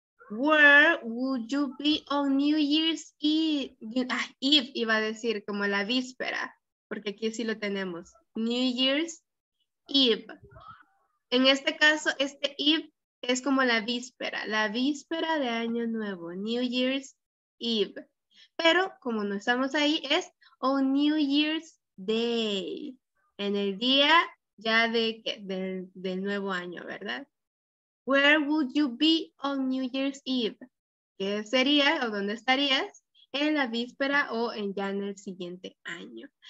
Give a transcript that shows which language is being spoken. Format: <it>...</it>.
<en>Where would you be on New Year's Eve?</en> <es>Eve iba a decir, como la víspera, porque aquí sí lo tenemos.</es> <en>New Year's Eve.</en> <es>En este caso, este Eve es como la víspera de Año Nuevo,</es> <en>New Year's Eve.</en> <es>Pero como no estamos ahí, es</es> <en>on New Year's Day,</en> <es>en el día ya del nuevo año, ¿verdad?</es> <en>Where would you be on New Year's Eve?</en> <es>¿Qué sería o dónde estarías en la víspera o en ya en el siguiente año?</es>